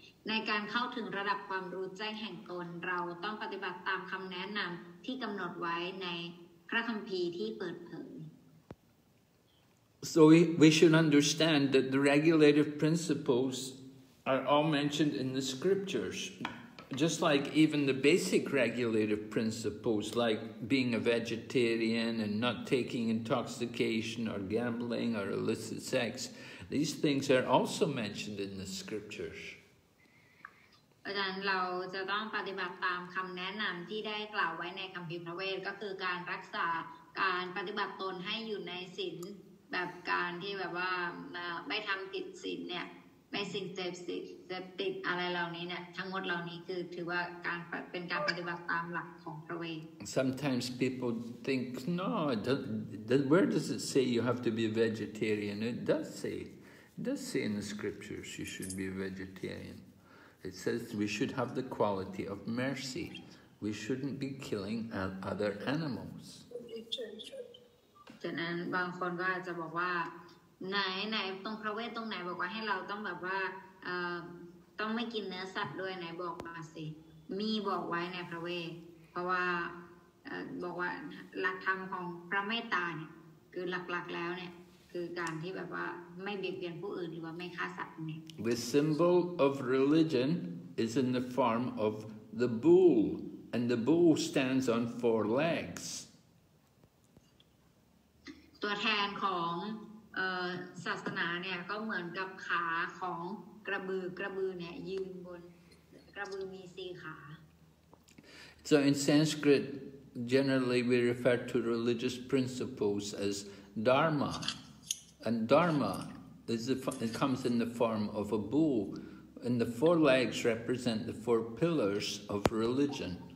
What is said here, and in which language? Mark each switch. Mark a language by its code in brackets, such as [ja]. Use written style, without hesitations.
[th] ในการเข้าถึงระดับความรู้แจ้งแห่งตนเราต้องปฏิบัติตามคำแนะนำที่กำหนดไว้ในพระคัมภีร์ที่เปิดเผย [en] So we should understand that the regulative principles are all mentioned in the scriptures. Just like even the basic regulative principles, like being a vegetarian and not taking intoxication or gambling or illicit sex, these things are also mentioned in the scriptures. [th] อาจารย์เราจะต้องปฏิบัติตามคำแนะนำที่ได้กล่าวไว้ในคัมภีร์พระเวทก็คือการรักษาการปฏิบัติตนให้อยู่ในศีลแบบการที่แบบว่าไม่ทำติดศีลเนี่ยไม่สิ่งเสพติดอะไรเหล่านี้เนี่ยทั้งหมดเหล่านี้คือถือว่าการเป็นการปฏิบัติตามหลักของพระเวท [en] Sometimes people think no where does it say you have to be a vegetarian it does say in the scriptures you should be a vegetarian it says we should have the quality of mercy we shouldn't be killing other animals [th] ฉะนั้นบางคนก็อาจจะบอกว่าไหนตรงพระเวทตรงไหนบอกว่าให้เราต้องแบบว่าต้องไม่กินเนื้อสัตว์ด้วยไหนบอกมาสิมีบอกไว้ในพระเวทเพราะว่าบอกว่าหลักธรรมของพระเมตตาเนี่ยคือหลักๆแล้วเนี่ยคือการที่แบบว่าไม่เบียดเบียนผู้อื่นหรือว่าไม่ฆ่าสัตว์นี่ [en] The symbol of religion is in the form of the bull and the bull stands on four legs [th] ตัวแทนของศาสนาเนี่ยก็เหมือนกับขาของกระบือเนี่ยยืนบนกระบือมี4ขา [en] So in Sanskrit generally we refer to religious principles as dharma and dharma it comes in the form of a bull and the four legs represent the four pillars of religion